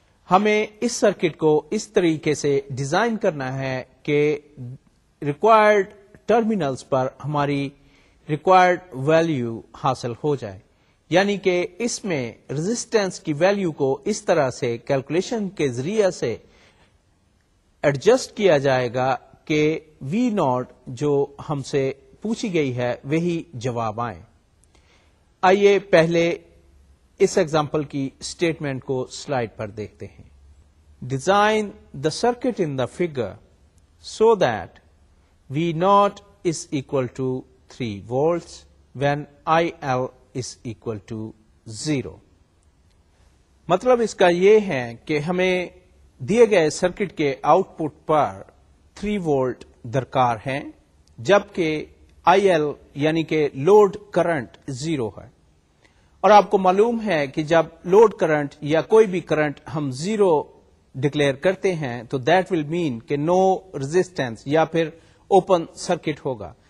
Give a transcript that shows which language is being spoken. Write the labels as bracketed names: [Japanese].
[Urdu] ہمیں اس سرکٹ کو اس طریقے سے ڈیزائن کرنا ہے کہ ریکوائرڈ ٹرمینلز پر ہماری ریکوائرڈ ویلیو حاصل ہو جائے, یعنی کہ اس میں ریزسٹنس کی ویلیو کو اس طرح سے کیلکولیشن کے ذریعے سے ایڈجسٹ کیا جائے گا کہ وی ناٹ جو ہم سے پوچھی گئی ہے وہی جواب آئیں. آئیے پہلے اس ایگزامپل کی سٹیٹمنٹ کو سلائیڈ پر دیکھتے ہیں. [English] Design the circuit in the figure so that V naught is equal to 3 volts when I L is equal to 0. [Urdu] مطلب اس کا یہ ہے کہ ہمیں دیے گئے سرکٹ کے آؤٹ پٹ پر 3 وولٹ درکار ہیں جبکہ آئی ایل یعنی کہ لوڈ کرنٹ 0 ہے. اور آپ کو معلوم ہے کہ جب لوڈ کرنٹ یا کوئی بھی کرنٹ ہم 0 ڈکلیئر کرتے ہیں تو [English] that will mean [Urdu] کہ نو ریزسٹینس یا پھر اوپن سرکٹ ہوگا.